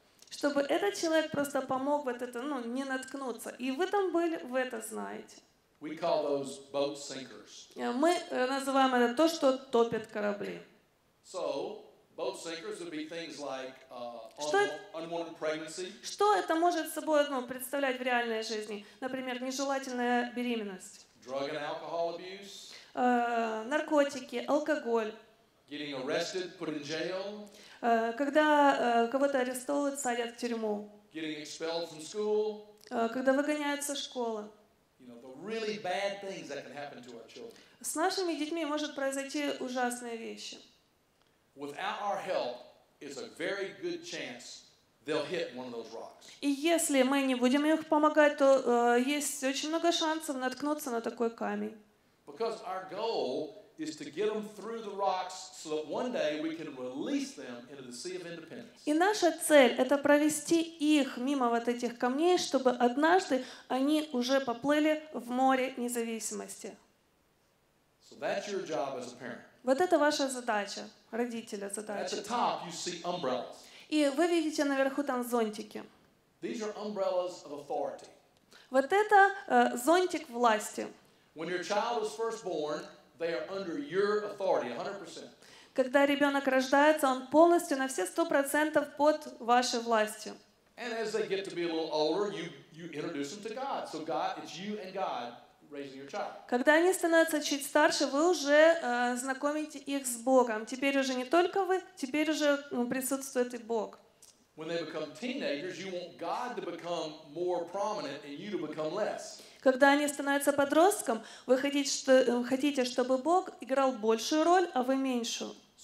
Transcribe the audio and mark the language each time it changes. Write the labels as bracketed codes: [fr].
[ru] Чтобы этот человек просто помог вот это, ну, не наткнуться. И вы там были, вы это знаете. [en] We call those boat sinkers. [ru] Мы называем это то, что топит корабли. [en] So, boat sinkers would be things like unwanted pregnancy. [ru] Что это может собой представлять в реальной жизни? Например, нежелательная беременность. [en] Drug and alcohol abuse. [ru] Наркотики, алкоголь. [en] Getting arrested, put in jail. [ru] Когда кого-то арестовывают, садят в тюрьму. [en] Getting expelled from school. [ru] Когда выгоняют со школы. [en] Really bad things that can happen to our children. [ru] С нашими детьми может произойти ужасные вещи. [en] Without our help, it's a very good chance they'll hit one of those rocks. [ru] И если мы не будем их помогать, то есть очень много шансов наткнуться на такой камень. [en] Because our goal is to get them through the rocks so that one day we can release them into the Sea of Independence. [ru] И наша цель — это провести их мимо вот этих камней, чтобы однажды они уже поплыли в море независимости. [en] So that's your job as a parent. [ru] Вот это ваша задача, родителя задача. [en] At the top you see umbrellas. [ru] И вы видите наверху там зонтики. [en] These are umbrellas of authority. [ru] Вот это зонтик власти. [en] When your child is first born, they are under your authority, 100%. [ru] Когда ребенок рождается, он полностью на все 100% под вашей властью. [en] And as they get to be a little older, you introduce them to God. So God, it's you and God raising your child. [ru] Когда они становятся чуть старше, вы уже знакомите их с Богом. Теперь уже не только вы, теперь уже присутствует и Бог. [en] When they become teenagers, you want God to become more prominent and you to become less. [ru] Когда они становятся подростком, вы хотите, чтобы Бог играл большую роль, а вы меньшую.